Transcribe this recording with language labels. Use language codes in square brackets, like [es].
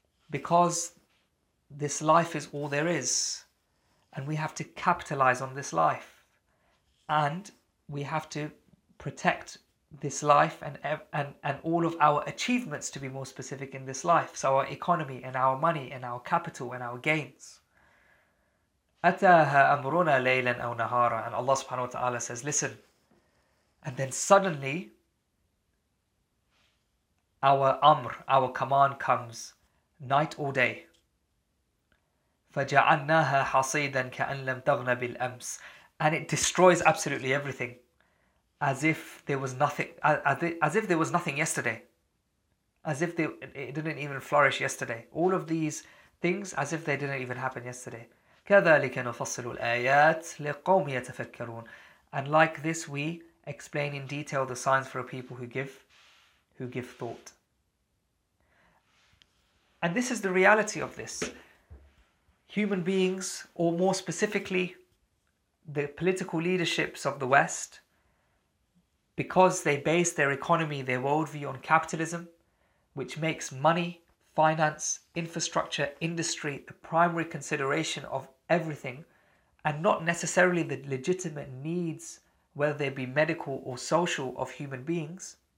[en] Because this life is all there is. And we have to capitalize on this life. And we have to protect this life and all of our achievements, to be more specific, in this life. So our economy and our money and our capital and our gains. [ar] أتاها أمرنا ليلا أو نهارا. [en] And Allah subhanahu wa ta'ala says, listen. And then suddenly, our amr, our command comes, night or day. [ar] فجعلناها حصيدا كأن لم تغنى بالأمس. [en] And it destroys absolutely everything, as if there was nothing, as if there was nothing yesterday, as if it didn't even flourish yesterday. All of these things, as if they didn't even happen yesterday. [ar] كذلك نفصل الآيات لقوم يتفكرون. [en] And like this, we explain in detail the signs for a people who give thought. And this is the reality of this. Human beings, or more specifically, the political leaderships of the West, because they base their economy, their worldview on capitalism, which makes money, finance, infrastructure, industry the primary consideration of everything, and not necessarily the legitimate needs, whether they be medical or social, of human beings.